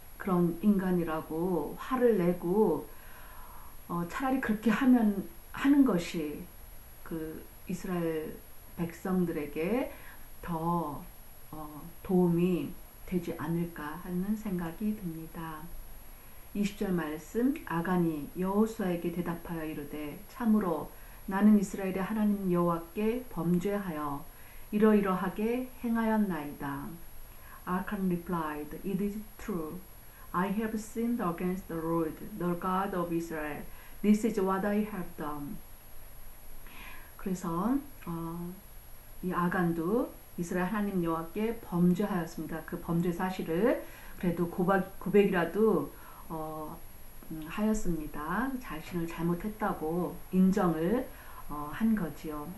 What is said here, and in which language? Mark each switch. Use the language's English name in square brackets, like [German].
[Korean] 그런 인간이라고 화를 내고, 차라리 그렇게 하는 것이 그 이스라엘 백성들에게 더 도움이 되지 않을까 하는 생각이 듭니다. 20절 말씀, 아간이 여호수아에게 대답하여 이르되, 참으로 나는 이스라엘의 하나님 여호와께 범죄하여 이러이러하게 행하였나이다. [English] 아칸 replied, It is true. I have sinned against the Lord, the God of Israel. This is what I have done. [Korean] 그래서 이 아간도 이스라엘 하나님 여호와께 범죄하였습니다. 그 범죄 사실을 그래도 고백이라도 하였습니다. 자신을 잘못했다고 인정을 한 거지요.